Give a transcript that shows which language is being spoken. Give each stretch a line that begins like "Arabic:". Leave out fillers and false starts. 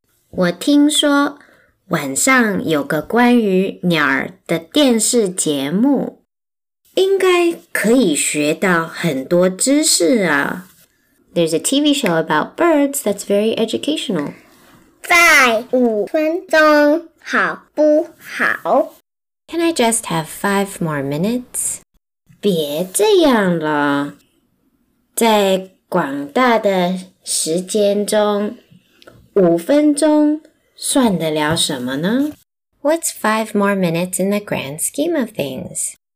Chinese: 我听说晚上有个关于鸟儿的电视节目，应该可以学到很多知识啊。
English: There's a TV show about birds that's very educational.
Chinese: 再五分钟好不好？
English: Can I just have 5 more minutes?
Chinese: 别这样了。在广大的时间中，五分钟算得了什么呢？
English: What's 5 more minutes in the grand scheme of things?